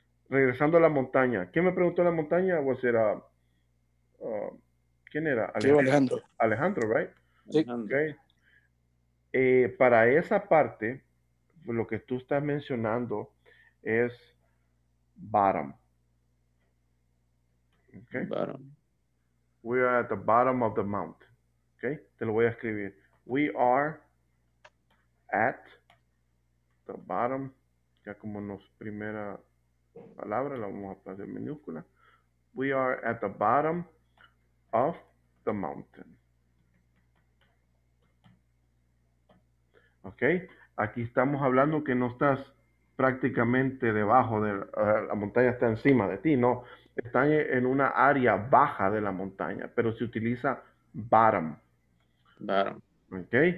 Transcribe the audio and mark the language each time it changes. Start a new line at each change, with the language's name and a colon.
Spanish: Regresando a la montaña. ¿Quién me preguntó la montaña?
English: Was it
Spanish: ¿quién era? Alejandro.
English: Alejandro, right?
Spanish: Sí.
English: Okay.
Spanish: Para esa parte, lo que tú estás mencionando es bottom.
English: Okay. Bottom. We are at the bottom of the mountain. Okay.
Spanish: Te lo voy a escribir.
English: We are at the bottom.
Spanish: Ya como nos primera palabra, la vamos a hacer minúscula.
English: We are at the bottom of the mountain. Okay.
Spanish: Aquí estamos hablando que no estás prácticamente debajo de la montaña, está encima de ti. No, están en una área baja de la montaña, pero se utiliza bottom.
English: Bottom. Okay.